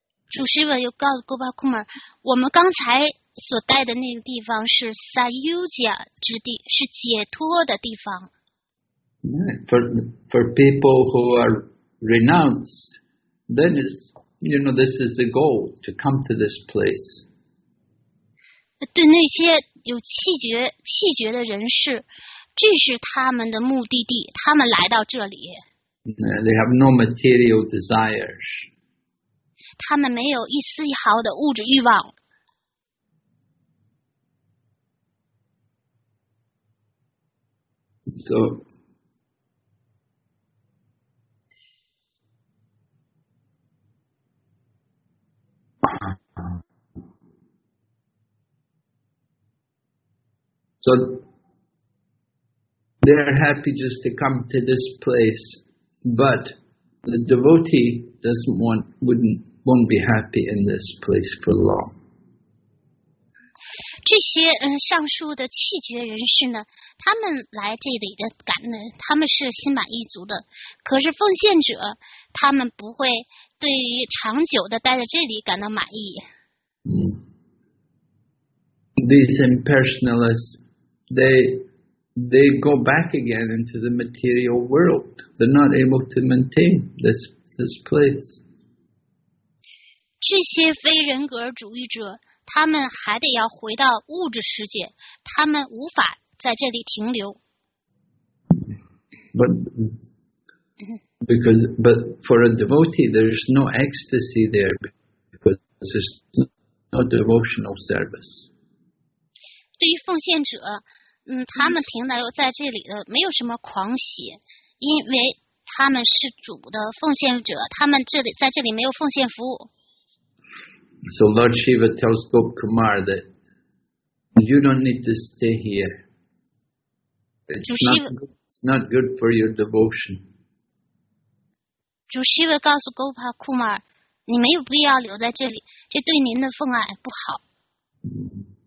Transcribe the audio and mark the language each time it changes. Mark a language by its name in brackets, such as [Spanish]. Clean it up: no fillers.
[Chinese] 主 Shiva 又告诉 Gop Kumar, 我们刚才所待的那个地方是 Sayujya 之地，是解脱的地方。 [English] For people who are renounced, then it's, you know, this is the goal, to come to this place. [Chinese] 对那些有弃绝的人士，这是他们的目的地，他们来到这里。 [English] They have no material desires. [Chinese] 他们没有一丝一毫的物质欲望。 [English] So they are happy just to come to this place, but the devotee doesn't want, won't be happy in this place for long. [Chinese] 这些上述的弃绝人士呢，他们来这里的感恩，他们是心满意足的。可是奉献者，他们不会对于长久的待在这里感到满意。 [English] These impersonalists. They go back again into the material world. They're not able to maintain this place. [Chinese] 这些非人格主义者，他们还得要回到物质世界，他们无法在这里停留。 [English] But for a devotee, there's no ecstasy there because there's no devotional service. [Chinese] 对于奉献者。他们停留在这里的没有什么狂喜，因为他们是主的奉献者，他们这里在这里没有奉献服务。 [English] So Lord Shiva tells Gop Kumar that you don't need to stay here. It's not good for your devotion. [Chinese] 主 Shiva 告诉 Gop Kumar, 你没有必要留在这里，这对您的奉爱不好。